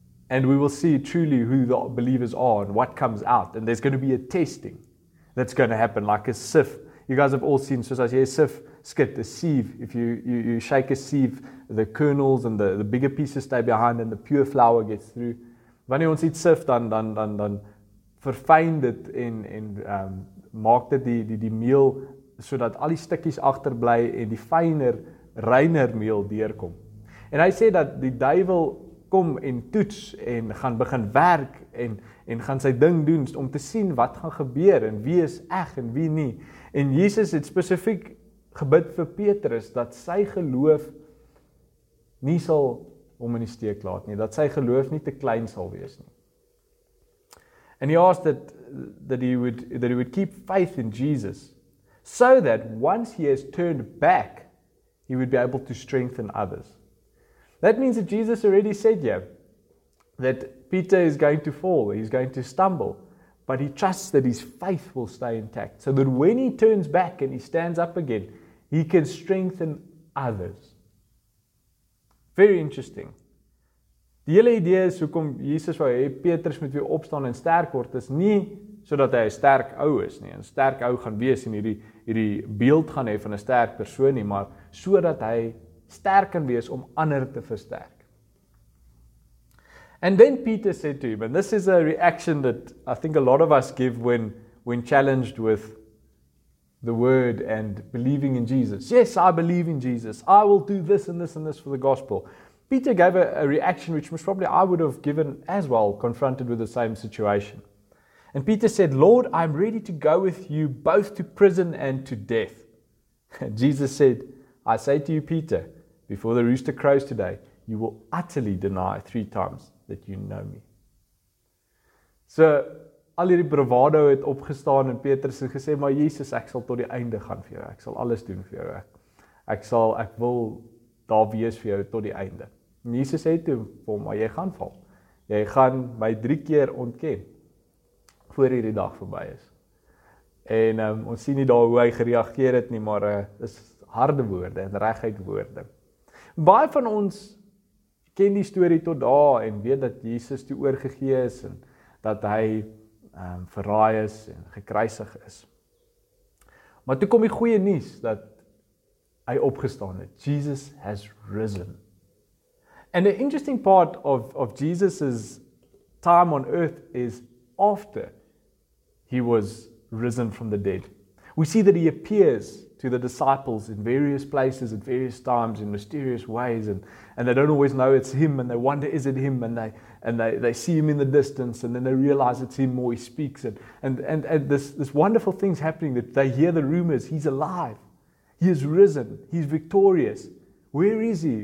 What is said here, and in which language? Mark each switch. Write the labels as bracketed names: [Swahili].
[English] And we will see truly who the believers are and what comes out. And there's going to be a testing that's going to happen like a sift. You guys have all seen, so as I say, a sift. Skit, the sieve, if you shake a sieve, the kernels and the bigger pieces stay behind and the pure flour gets through. [Afrikaans] Wanneer ons iets sift, dan verfyn dit en maak dit die meel sodat al die stukkies agterbly en die fyner, reiner meel deurkom. En hy sê dat die duivel kom en toets en gaan begin werk en gaan sy ding doen om te sien wat gaan gebeur en wie is eg en wie nie. En Jesus het spesifiek gebid vir Petrus, dat sy geloof nie sal hom in die steek laat nie, dat sy geloof nie te klein sal wees nie. [English] And he asked that that he would keep faith in Jesus, so that once he has turned back, he would be able to strengthen others. That means that Jesus already said, yeah, that Peter is going to fall, he's going to stumble, but he trusts that his faith will stay intact, so that when he turns back and he stands up again, he can strengthen others. Very interesting. [Afrikaans] Die hele idee is hoekom Jesus wou hê Petrus moet weer opstaan en sterk word, is nie sodat hy 'n sterk ou is nie, 'n sterk ou gaan wees en hierdie beeld gaan hê van 'n sterk persoon nie, maar sodat hy sterk kan wees om ander te versterk. [English] And then Peter said to him, and this is a reaction that I think a lot of us give when challenged with the word and believing in Jesus. Yes, I believe in Jesus. I will do this and this and this for the gospel. Peter gave a reaction which most probably I would have given as well, confronted with the same situation. And Peter said, Lord, I'm ready to go with you both to prison and to death. And Jesus said, I say to you, Peter, before the rooster crows today, you will utterly deny three times that you know me. [Afrikaans] So, al hierdie bravado het opgestaan en Petrus het gesê, maar Jesus, ek sal tot die einde gaan vir jou, ek sal alles doen vir jou, ek wil daar wees vir jou tot die einde. En Jesus sê toe vir hom, maar jy gaan val, jy gaan my drie keer ontken, voor hierdie dag verby is. En ons sien nie daar hoe hy gereageer het nie, maar is harde woorde en reguit woorde. Baie van ons ken die story tot daar en weet dat Jesus toe oorgegee is en dat hy verraai is en gekruisig is. Maar toe kom die goeie nuus dat hy opgestaan het. [English] Jesus has risen. And the interesting part of Jesus's time on earth is after he was risen from the dead. We see that he appears to the disciples in various places at various times in mysterious ways and they don't always know it's him and they wonder is it him and they see him in the distance and then they realize it's him or he speaks and this wonderful thing's happening that they hear the rumors he's alive, he has risen, he's victorious. Where is he?